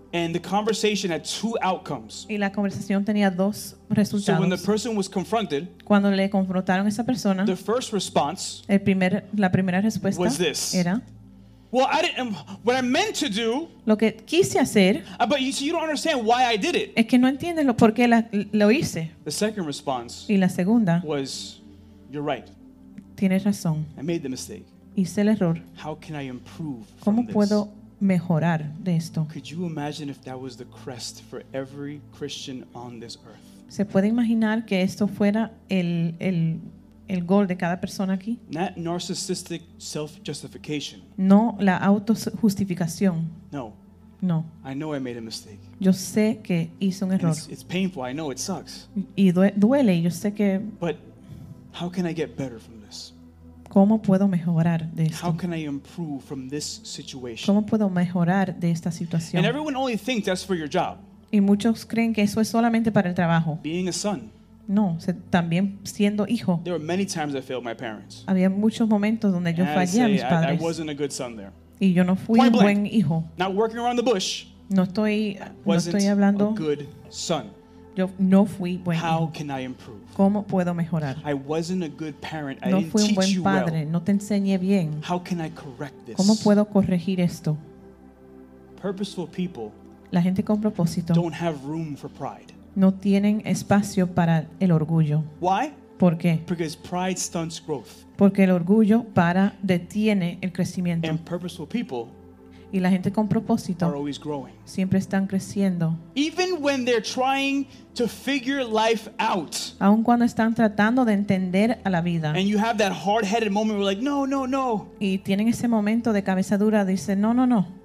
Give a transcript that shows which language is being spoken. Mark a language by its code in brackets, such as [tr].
[en] And the conversation had two outcomes. [es] Y la conversación tenía dos resultados. [en] So when the person was confronted, [es] cuando le confrontaron a esa persona, [en] the first response, [es] la primera respuesta, [en] was this. [es] Era, [en] well, I didn't. What I meant to do. [es] Lo que quise hacer. [en] But you don't understand why I did it. [es] Es que no entiendes por qué lo hice. [en] The second response. [es] Y la segunda. [en] Was, you're right. [es] Tienes razón. [en] I made the mistake. [es] Hice el error. [en] How can I improve? [es] ¿Cómo puedo mejorar de esto? [en] Could you imagine if that was the crest for every Christian on this earth? [es] ¿Se puede imaginar que esto fuera el gol de cada persona aquí? [en] Not narcissistic self-justification. [es] No la autojustificación. [en] No. [es] No. [en] I know I made a mistake. [es] Yo sé que hice un error. [en] It's painful. I know it sucks. [es] Y duele. Yo sé que. [en] But how can I get better from this? [es] ¿Cómo puedo mejorar de esto? [en] How can I improve from this situation? [es] ¿Cómo puedo mejorar de esta situación? [en] And everyone only thinks that's for your job. [es] Y muchos creen que eso es solamente para el trabajo. [en] Being a son. [es] No, también siendo hijo. [en] There were many times I failed my parents. [es] Había muchos momentos donde yo fallé a mis padres. [en] I wasn't a good son there. [es] Y yo no fui un buen hijo. [en] Not working around the bush. [es] No estoy hablando. [en] A good son. [es] Yo no fui buen hijo. [en] How can I improve? [es] ¿Cómo puedo mejorar? [en] I wasn't a good parent. [es] No [en] I didn't teach you [es] padre. [en] Well. [es] No te enseñé bien. [en] How can I correct this? [es] ¿Cómo puedo corregir esto? [en] Purposeful people. [es] La gente con propósito. [en] Don't have room for pride. [es] No tienen espacio para el orgullo. [en] Why? [es] ¿Por qué? [en] Because pride stunts growth. [es] Porque el orgullo para detiene el crecimiento. [en] And purposeful people. [es] Y la gente con propósito [en] are always growing. [es] Siempre están creciendo. [en] Even when they're trying to figure life out. [es] Aun cuando están tratando de entender a la vida. [en] And you have that hard-headed moment where like, no. [es] Y tienen ese momento de cabeza dura, dice, no.